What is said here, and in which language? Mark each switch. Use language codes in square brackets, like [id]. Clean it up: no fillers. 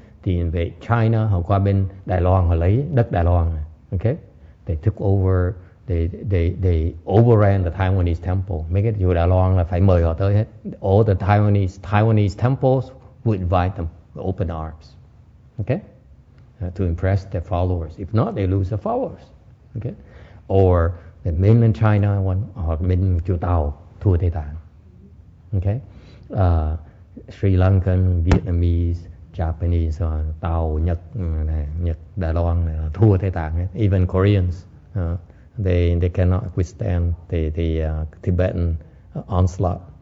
[vi] Thì về China, họ qua bên Đài Loan, họ lấy đất Đài Loan. [en] Okay? They took over, they overran the Taiwanese temple. Make it, [vi] dù Đài Loan là phải mời họ tới hết. [en] All the Taiwanese temples would invite them with open arms. Okay? To impress their followers. If not, they lose their followers. Okay? Or the mainland China one, or mainland Chu Tao, [vi] thua Tây Tạng. [en] Okay? [vi] Sri Lankan, Vietnamese, Japanese, Tàu, Nhật, Nhật, Đài Loan, thua Tây Tạng. [en] Even Koreans, they cannot withstand the Tibetan onslaught.